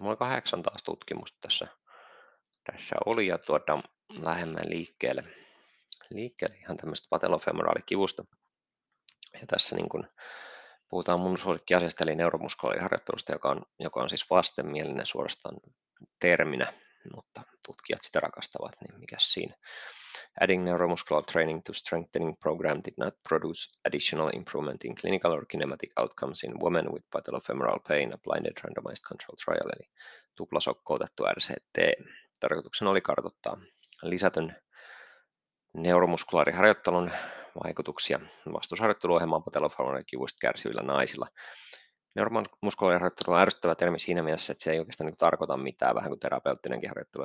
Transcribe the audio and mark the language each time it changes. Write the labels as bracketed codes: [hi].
[fi] Mulla on 8 taas tutkimusta tässä oli ja lähemmän liikkeelle ihan tämmöistä patellofemoraalikivusta. Ja tässä niin kun puhutaan mun suosikkiasiasta eli neuromuskuliharjoittelusta, joka on siis vastenmielinen suorastaan terminä, mutta tutkijat sitä rakastavat, niin mikä siinä. [en] Adding neuromuscular training to strengthening program did not produce additional improvement in clinical or kinematic outcomes in women with patellofemoral pain, a blinded randomized control trial, [fi] eli tuplasokkoutettu RCT. Tarkoituksena oli kartoittaa lisätyn neuromuskulaariharjoittelun vaikutuksia vastusharjoitteluohjelmaan patellofemoraalisista kivuista kärsivillä naisilla. Neuromuskulaariharjoittelu on ärsyttävä termi siinä mielessä, että se ei oikeastaan tarkoita mitään, vähän kuin terapeuttinenkin harjoittelu.